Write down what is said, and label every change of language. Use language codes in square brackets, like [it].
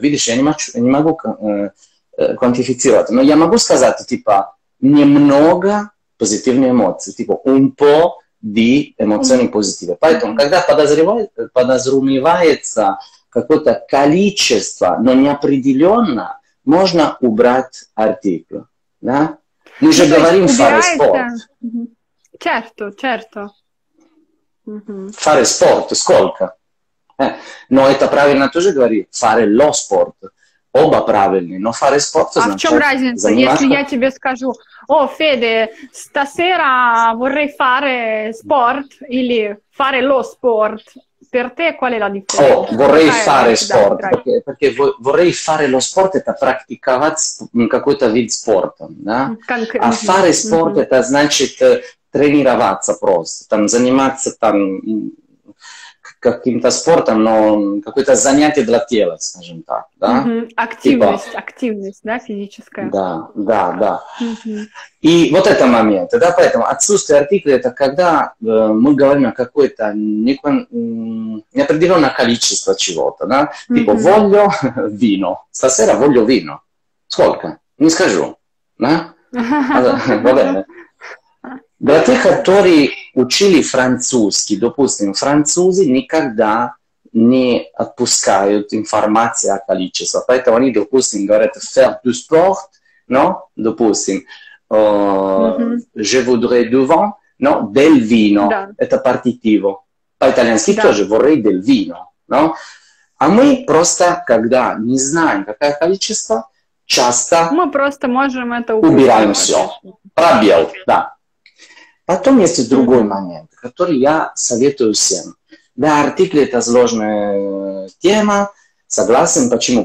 [ru] Видишь, я не могу квантифицировать. Но я могу сказать, типа, немного позитивные эмоции, типа [it] un po' di [ru] эмоционы позитивные. Поэтому, когда подразумевается какое-то количество, но неопределенно, можно убрать артикль. Да? Мы же говорим fare sport. [it] Certo, certo. Fare sport, сколько? [ru] Но это правильно тоже говорит, [it] fare lo sport. [ru] Оба правильные, но fare sport значит. А в чем разница, если я тебе скажу, о, Феде, [it] stasera vorrei fare sport [ru] или fare lo sport? [it] Per te qual è la differenza? О, vorrei fare sport, perché vorrei fare lo sport [ru] это практиковать какой-то вид спорта, да? А fare sport это значит тренироваться просто, там заниматься там каким-то спортом, но какое-то занятие для тела, скажем так, да? Угу. Активность, типа... активность, да, физическая. Да, да, да. Угу. И вот это момент, да, поэтому отсутствие артикля, это когда мы говорим о какой-то неопределённое количество чего-то, да? [it] Типа, угу. Voglio vino. Stasera voglio vino. Сколько? [ru] Не скажу, да? Во время. Для тех, которые учили французский, допустим, французы никогда не отпускают информацию о количестве. Поэтому они, допустим, говорят [fr] «faire du sport», [ru] но, допустим, [fr] «je voudrais du vin», [ru] но [it] «del vino», [ru] да. Это партитиво. По-итальянски да. [it] Тоже «vorrei del vino». [ru] Но? А мы просто, когда не знаем, какое количество, часто мы просто можем это убираем все. Пробел, да. Потом есть другой момент, который я советую всем. Да, артикль – это сложная тема, согласен. Почему?